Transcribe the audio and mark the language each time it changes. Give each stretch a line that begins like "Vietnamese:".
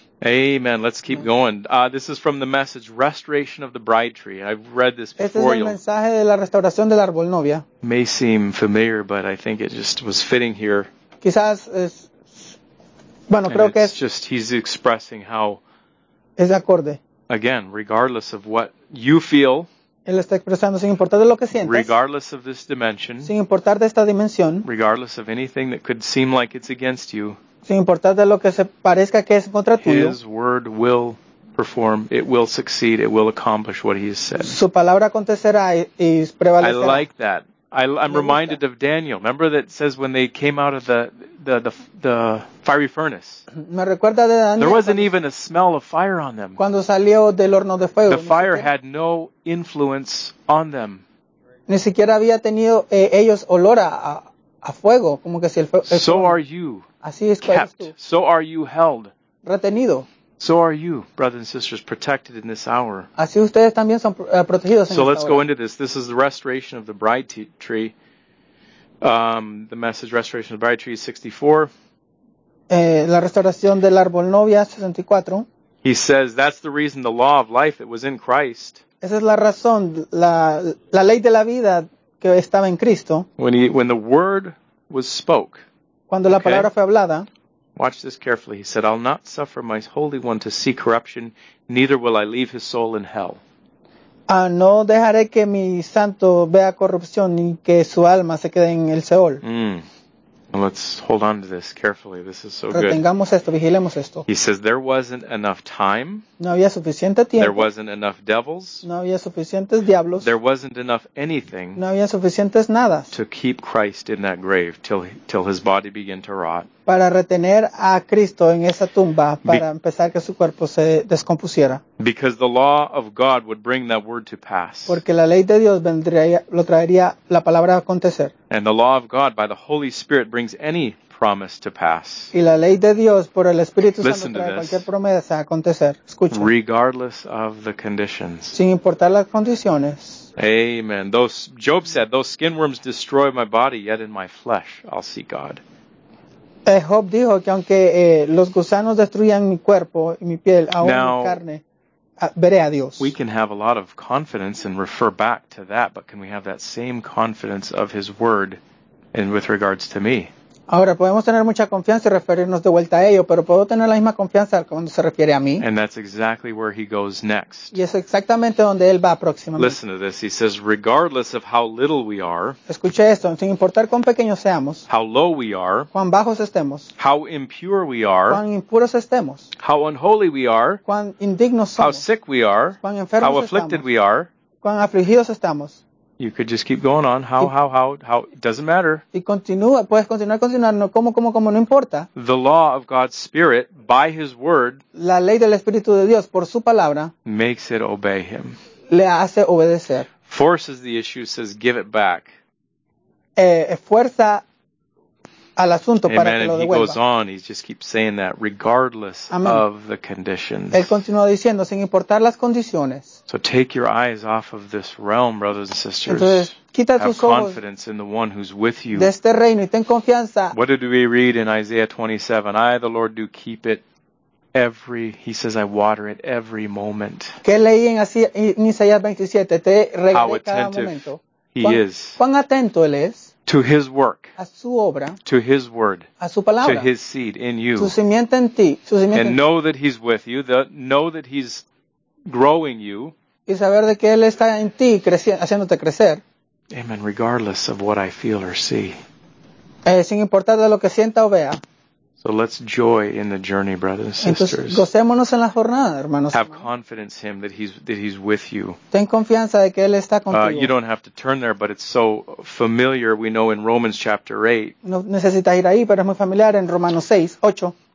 English: Amen. Let's keep going. This is from the message, Restoration of the Bride Tree. I've read this before.
Spanish: Este es el mensaje de la restauración del árbol novia.
English: May seem familiar, but I think it just was fitting here.
Spanish: Quizás es, bueno, creo que es.
English: It's just, he's expressing how.
Spanish: Es de acorde.
English: Again, regardless of what you feel,
Spanish: él está expresando, sin importar de lo que sientes,
English: regardless of this dimension,
Spanish: sin importar de esta dimensión,
English: regardless of anything that could seem like it's against you,
Spanish: sin importar de lo que se parezca que es contra
English: his
Spanish: tuyo,
English: his word will perform, it will succeed, it will accomplish what he has said.
Spanish: Su palabra acontecerá y prevalecerá.
English: I like that. I'm reminded of Daniel. Remember that it says when they came out of the fiery furnace.
Spanish: Me recuerda de Daniel.
English: There wasn't even a smell of fire on them.
Spanish: Cuando salió del horno de fuego.
English: The fire had no influence on them.
Spanish: Ni siquiera había tenido ellos olor a fuego, como que si el fuego.
English: So are you.
Spanish: Así es que
English: kept. So are you held.
Spanish: Retenido.
English: So are you, brothers and sisters, protected in this hour.
Spanish: Así ustedes también son protegidos en
English: so
Spanish: esta hora.
English: Go into this. This is the restoration of the bride tree. The message, restoration of the bride tree, is 64.
Spanish: La restauración del árbol novia, 64.
English: He says, that's the reason the law of life that was in Christ.
Spanish: Esa es la razón, la ley de la vida que estaba en Cristo.
English: When the word was spoke.
Spanish: Cuando la palabra fue hablada.
English: Watch this carefully. He said, I'll not suffer my Holy One to see corruption, neither will I leave his soul in hell.
Spanish: No dejaré que mi santo vea corrupción ni que su alma se quede en el Seol.
English: Well, let's hold on to this carefully. This is so
Spanish: retengamos
English: good.
Spanish: Retengamos esto, vigilemos esto.
English: He says, there wasn't enough time.
Spanish: No había suficiente tiempo.
English: There wasn't enough devils.
Spanish: No había suficientes diablos.
English: There wasn't enough anything.
Spanish: No había suficientes nada.
English: To keep Christ in that grave till his body began to rot.
Spanish: Para retener a Cristo en esa tumba para empezar que su cuerpo se descompusiera.
English: Because the law of God would bring that word to pass.
Spanish: Porque la ley de Dios vendría, lo traería la palabra a acontecer.
English: And the law of God by the Holy Spirit brings any promise to pass.
Spanish: Y la ley de Dios por el Espíritu Santo trae cualquier promesa a acontecer. Escucha.
English: Regardless of the conditions.
Spanish: Sin importar las condiciones.
English: Amen. Those Job said, though skin worms destroy my body, yet in my flesh I'll see God.
Spanish: Job dijo que aunque los gusanos destruyan mi cuerpo y mi piel, aún
English: now,
Spanish: mi carne, veré a Dios.
English: We can have a lot of confidence and refer back to that, but can we have that same confidence of his word and with regards to me?
Spanish: Ahora podemos tener mucha confianza y referirnos de vuelta a ello, pero puedo tener la misma confianza cuando se refiere a mí.
English: And that's exactly where he goes next.
Spanish: Y es exactamente donde él va próximamente.
English: Listen to this. He says, regardless of how little we are.
Spanish: Escuche esto. Sin importar cuán pequeños seamos.
English: How low we are.
Spanish: Cuán bajos estemos.
English: How impure we are.
Spanish: Cuán impuros estemos.
English: How unholy we are.
Spanish: Cuán indignos somos.
English: How sick we are.
Spanish: Cuán enfermos estamos.
English: How afflicted we are.
Spanish: Cuán afligidos estamos.
English: You could just keep going on. How, doesn't matter.
Spanish: Y continúa, puedes continuar, continuar, no, como, no importa.
English: The law of God's Spirit, by His Word,
Spanish: la ley del Espíritu de Dios, por su palabra,
English: makes it obey Him.
Spanish: Le hace obedecer.
English: Forces the issue, says, give it back.
Spanish: Fuerza al asunto
English: Amen.
Spanish: Para que lo devuelva.
English: And he goes on, he just keeps saying that, regardless Amen. Of the conditions.
Spanish: Él continúa diciendo, sin importar las condiciones.
English: So take your eyes off of this realm, brothers and sisters.
Spanish: Entonces, quita
English: Have
Spanish: tus ojos.
English: Have confidence in the one who's with you.
Spanish: De este reino y ten confianza.
English: What did we read in Isaiah 27? I, the Lord, do keep it every, he says, I water it every moment.
Spanish: ¿Qué leí en Isaías 27? Te regalé cada momento.
English: He is.
Spanish: ¿Cuán atento él es?
English: To his work.
Spanish: A su obra.
English: To his word.
Spanish: A su palabra.
English: To his seed in you.
Spanish: Su simiente en ti. Su simiente
English: and know that he's with you. Know that he's growing you.
Spanish: Y saber de que él está en ti, haciéndote crecer.
English: Amen. Regardless of what I feel or see.
Spanish: Sin importar de lo que sienta o vea.
English: So let's joy in the journey, brothers and sisters.
Spanish: Entonces, gocémonos en la jornada, hermanos.
English: Have confidence in him that he's with you.
Spanish: Ten confianza de que él está contigo.
English: You don't have to turn there, but it's so familiar. We know in Romans chapter 8.
Spanish: No necesitas ir ahí, pero es muy familiar en Romanos 6, 8.